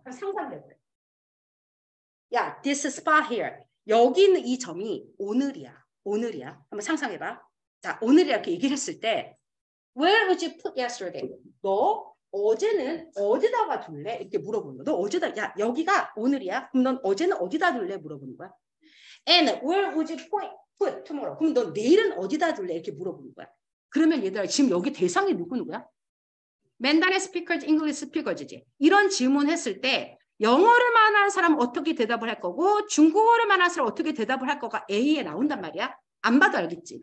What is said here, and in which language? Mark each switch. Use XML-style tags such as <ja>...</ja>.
<ko>그럼 상상돼 그래. 야,</ko> <en>this spot here.</en> <ko>여기 있는 이 점이 오늘이야. 오늘이야. 한번 상상해봐. 자, 오늘 이렇게 얘기를 했을 때</ko> <en>where would you put yesterday?</en> <ko>너 어제는 어디다가 둘래? 이렇게 물어보는 거야. 너 어제다, 야, 여기가 오늘이야? 그럼 넌 어제는 어디다 둘래? 물어보는 거야.</ko> <en>And where would you put tomorrow?</en> <ko>그럼 넌 내일은 어디다 둘래? 이렇게 물어보는 거야. 그러면 얘들아, 지금 여기 대상이 누구는 거야? Mandarin speakers, English speakers지. 이런 질문 했을 때 영어를 말하는 사람은 어떻게 대답을 할 거고 중국어를 말하는 사람은 어떻게 대답을 할 거가 A에 나온단 말이야. 안 봐도 알겠지.</ko>